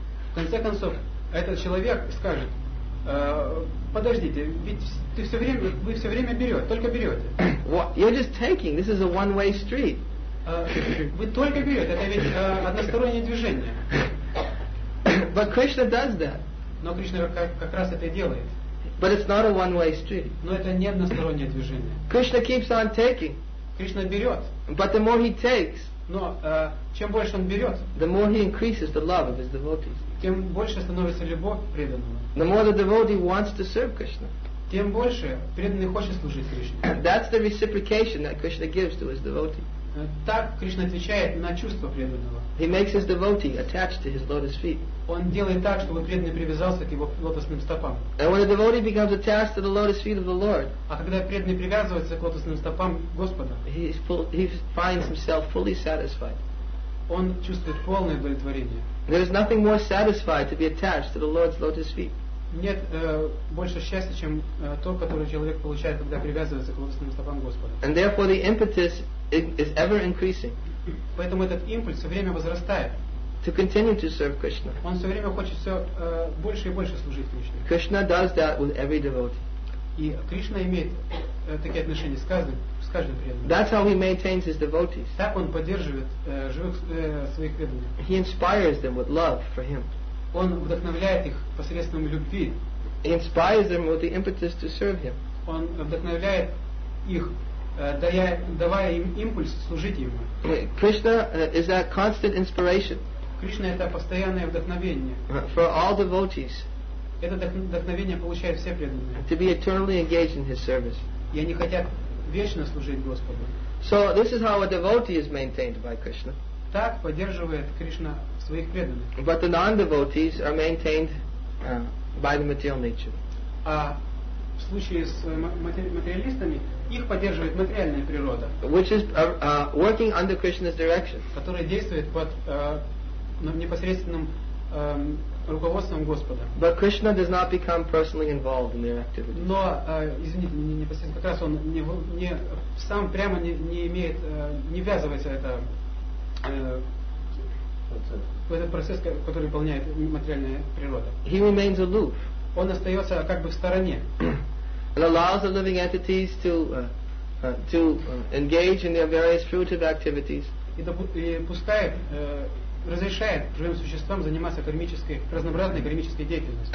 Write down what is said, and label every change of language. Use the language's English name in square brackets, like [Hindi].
[Russian] В конце концов, этот человек скажет, подождите, ведь вы все время берете, только берете. [English] Well, you're just taking, this is a one-way street. [Russian] Вы только берете, это ведь одностороннее движение. [English] But Krishna does that. [Russian] Но Кришна как раз это делает. [English] But it's not a one-way street. [Russian] Но это не одностороннее движение. [English] Krishna keeps on taking. [Russian] Кришна берет. [English] But the more he takes, [Russian] но чем больше он берет, [English] the more he increases the love of his devotees. [Russian] Тем больше становится любовь преданного. [English] The more the devotee wants to serve Krishna. [Russian] Тем больше преданный хочет служить Кришне. [English] That's the reciprocation that Krishna gives to his devotee. [Russian] Так Кришна отвечает на чувство преданного. [English] He makes his devotee attached to his lotus feet. [Russian] Он делает так, чтобы преданный привязался к его лотосным стопам. [English] And when a devotee becomes attached to the lotus feet of the Lord, [Russian] а когда преданный привязывается к лотосным стопам Господа, [English] he finds himself fully satisfied. [Russian] Он чувствует полное удовлетворение. [English] There is nothing more satisfied to be attached to the Lord's lotus feet. [Russian] Нет больше счастья, чем то, которое человек получает, когда привязывается к лотосным стопам Господа. [English] And therefore the impetus is ever increasing. [Russian] Поэтому этот импульс все время возрастает. [English] To continue to serve Krishna. [Russian] Он все время хочет все больше и больше служить Кришне. [English] Krishna does that with every devotee. [Russian] И Кришна имеет такие отношения с каждым преданным. [English] That's how he maintains his devotees. [Russian] Так он поддерживает живых своих преданных. [English] He inspires them with love for him. [Russian] Он вдохновляет их посредством любви. [English] He inspires them with the impetus to serve him. [Russian] Он вдохновляет их, давая им импульс служить ему. [English] Krishna is that constant inspiration. [Russian] Кришна это постоянное вдохновение. [English] For all devotees. [Russian] Это вдохновение получают все преданные. [English] To be eternally engaged in his service. [Russian] И они хотят вечно служить Господу. [English] So this is how a devotee is maintained by Krishna. [Russian] Так поддерживает Кришна своих преданных. [English] But the non-devotees are maintained by the material nature. [Russian] А в случае с материалистами их поддерживает материальная природа, [English] which is working under Krishna's direction, [Russian] которая действует под непосредственным руководством Господа. [English] But Krishna does not become personally involved in their activities. [Russian] Но извините, не непосредственно, как раз он не сам прямо не имеет, не ввязывается в этот процесс, который выполняет материальная природа. [English] He remains aloof. [Russian] Он остается как бы в стороне. [English] And allows the living entities to engage in their various fruitive activities. [Russian] И пускает, разрешает живым существам заниматься кармической, разнообразной кармической деятельностью.